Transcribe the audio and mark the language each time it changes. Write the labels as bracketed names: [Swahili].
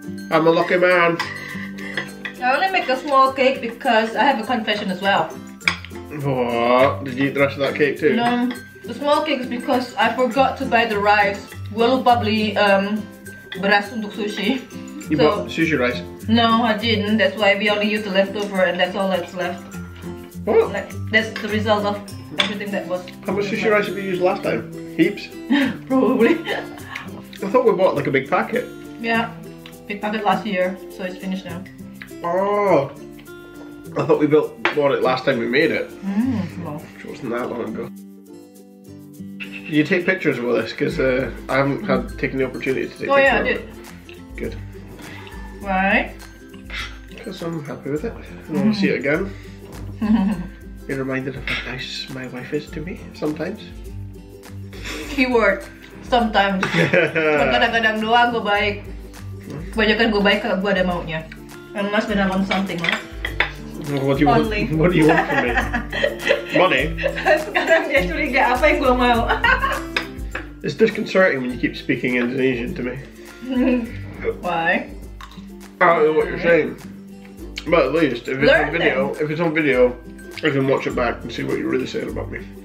[English] I'm a lucky man. I only make a small cake because I have a confession as well. What? Did you eat the rest of that cake too? No. The small cake is because I forgot to buy the rice. [Indonesian] Gua lupa beli beras untuk sushi. [English] You bought sushi rice? No, I didn't. That's why we only use the leftover and that's all that's left. What? Like, that's the result of everything that was. How much sushi rice did we use last time? Heaps? Probably. I thought we bought like a big packet. Yeah. Big packet last year, so it's finished now. Oh, I thought we bought it last time we made it. Well, which wasn't that long ago. Did you take pictures of all this? Because I haven't had taken the opportunity to take pictures. Oh yeah, I did. Good. Why? Because I'm happy with it. I want to see it again. You're reminded of how nice my wife is to me sometimes. Keyword, sometimes. [Indonesian] Kadang-kadang doang gue baik. Kebanyakan gue baik kalau gue ada maunya. [English] Unless when I want something, right? What do you want? What do you want from me? Money. [Indonesian] Sekarang dia curiga apa yang gua mau. [English] It's disconcerting when you keep speaking Indonesian to me. Why? I don't know what you're saying. But at least if it's learn on video, then. If it's on video, I can watch it back and see what you're really saying about me.